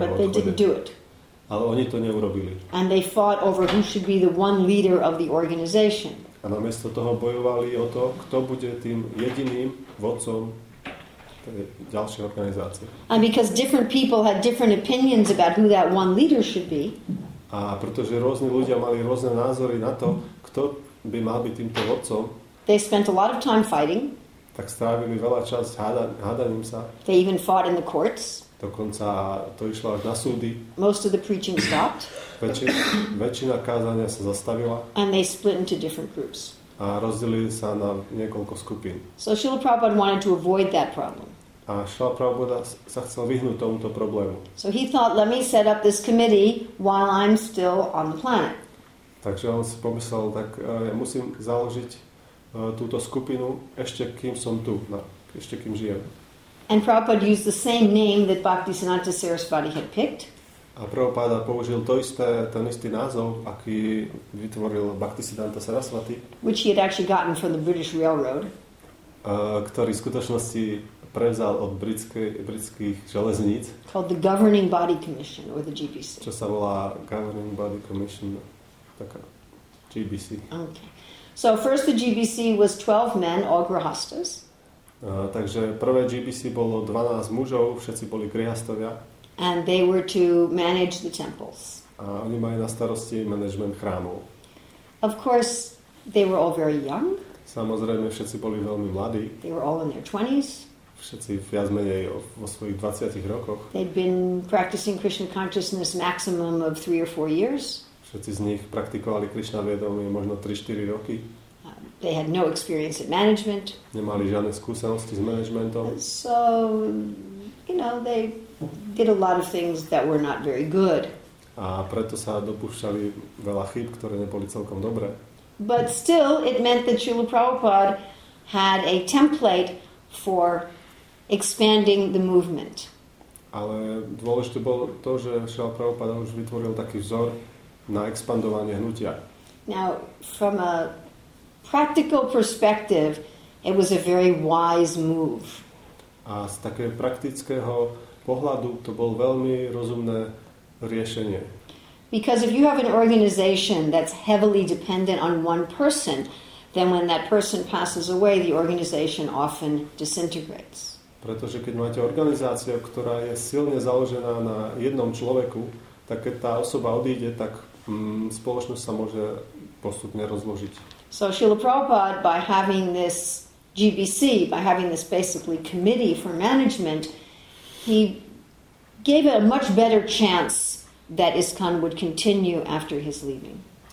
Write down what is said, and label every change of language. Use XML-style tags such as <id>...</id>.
<sk>odchode.</sk> <en>But they didn't do it.</en> <sk>Ale oni to neurobili.</sk> <en>And they fought over who should be the one leader of the organization.</en> <sk>A namiesto toho bojovali o to, kto bude tým jediným vodcom ďalšej organizácie.</sk> <en>And because different people had different opinions about who that one leader should be.</en> <sk>A pretože rôzni ľudia mali rôzne názory na to, kto by mal byť týmto vodcom.</sk> <en>They spent a lot of time fighting.</en> <sk>Tak strávili veľa čas hádaním sa.</sk> <en>They even fought in the courts.</en> <sk>Dokonca to išlo až na súdy.</sk> <en>Most of the preaching stopped.</en> <sk>Väčšina kázania sa zastavila.</sk> <en>And they split into different groups.</en> <sk>A rozdelili sa na niekoľko skupín.</sk> <en>So Srila Prabhupada wanted to avoid that problem.</en> <sk>A Srila Prabhupada sa chcel vyhnúť tomuto problému.</sk> <en>So he thought, let me set up this committee while I'm still on the planet.</en> <sk>Takže on si pomyslel, tak ja musím založiť túto skupinu ešte kým som tu, ešte kým žijem.</sk> <en>And Prabhupada used the same name that Bhaktisiddhanta Sarasvati had picked.</en> <sk>A Prabhupada použil to isté, ten istý názov, aký vytvoril Bhaktisiddhanta Sarasvati.</sk> <en>Which he had actually gotten from the British Railroad.</en> <sk>Ktorý v skutočnosti prevzal od britských železníc.</sk> <en>Called the Governing Body Commission, or the GBC.</en> <sk>Čo sa volá Governing Body Commission, taká GBC.</sk> <en>Okay. So first the GBC was 12 men, all grihasthas.</en> <sk>Takže prvé GBC bolo 12 mužov, všetci boli grihastovia.</sk> <en>And they were to manage the temples.</en> <sk>A oni mali na starosti management chrámov.</sk> <en>Of course, they were all very young.</en> <sk>Samozrejme, všetci boli veľmi mladí.</sk> <en>They were all in their 20s.</en> <sk>Všetci viac menej vo svojich 20 rokoch.</sk> <en>They'd been practicing Krishna consciousness maximum of 3 or 4 years.</en> <sk>Všetci z nich praktikovali Krishna vedomie možno 3-4 roky.</sk> <en>They had no experience at management.</en> <sk>Nemali žiadne skúsenosti s managementom.</sk> <en>So, you know, they did a lot of things that were not very good.</en> <sk>A preto sa dopúšťali veľa chýb, ktoré neboli celkom dobré.</sk> <en>But still, it meant that Srila Prabhupada had a template for expanding the movement.</en> <sk>Ale dôležité bolo to, že Šrila Prabhupada už vytvoril taký vzor na expandovanie hnutia.</sk> <en>Now, from a practical perspective, it was a very wise move.</en> <sk>A z takého praktického pohľadu to bol veľmi rozumné riešenie.</sk> <en>Because if you have an organization that's heavily dependent on one person, then when that person passes away, the organization often disintegrates.</en> <sk>Pretože keď máte organizáciu, ktorá je silne založená na jednom človeku, tak keď tá osoba odíde, tak spoločnosť sa môže postupne rozložiť.</sk> <en>So Srila Prabhupada, by having this GBC, by having this basically committee for management, he gave it a much better chance that ISKCON would continue after his leaving.</en>